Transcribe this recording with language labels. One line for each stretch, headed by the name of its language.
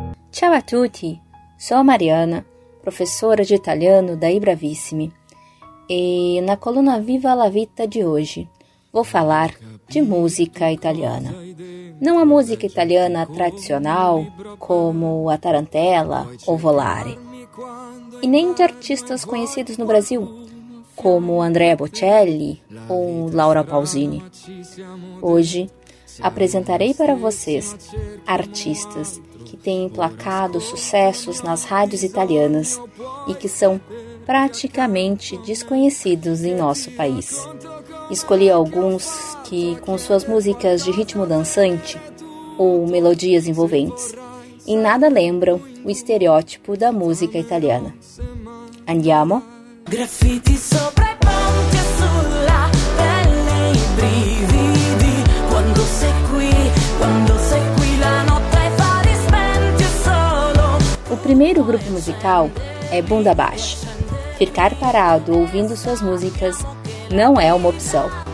Italian: Ciao a tutti,
Portuguese: sou a Mariana, professora de italiano da Ibravissimi. E na coluna Viva la Vita de hoje, vou falar de música italiana. Não a música italiana tradicional, como a tarantela ou volare. E nem de artistas conhecidos no Brasil, como Andrea Bocelli ou Laura Pausini. Hoje, apresentarei para vocês artistas que têm emplacado sucessos nas rádios italianas e que são praticamente desconhecidos em nosso país. Escolhi alguns que, com suas músicas de ritmo dançante ou melodias envolventes, em nada lembram o estereótipo da música italiana.
Italian: Andiamo? Graffiti sopra i ponti sulla pelle i brividi quando sei qui, quando sei qui la notte fare spenti solo.
Portuguese: O primeiro grupo musical é Bunda Baixa. Ficar parado ouvindo suas músicas não é uma opção.